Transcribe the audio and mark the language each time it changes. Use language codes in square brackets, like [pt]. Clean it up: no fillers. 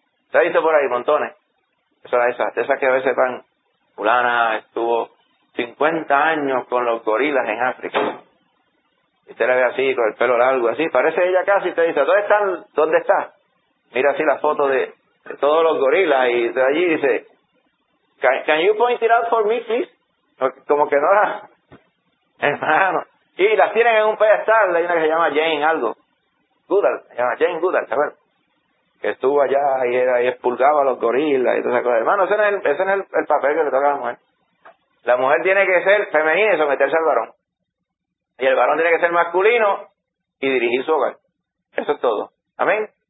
[es] Se ha visto por ahí montones. Esas que a veces van, fulana estuvo 50 años con los gorilas en África. Y usted la ve así, con el pelo largo, así. Parece ella casi, usted dice, ¿dónde está? Mira así la foto de todos los gorilas y de allí dice... [en] Can you point it out for me, please? [es] Como que no la... Hermano. Y las tienen en un pedestal, hay una que se llama Jane algo. Goodall, se llama Jane Goodall, ¿sabes? Que estuvo allá y era y expulgaba a los gorilas y todas esas cosas. Hermano, ese es el papel que le toca a la mujer. La mujer tiene que ser femenina y someterse al varón. Y el varón tiene que ser masculino y dirigir su hogar. Eso es todo. ¿Amén?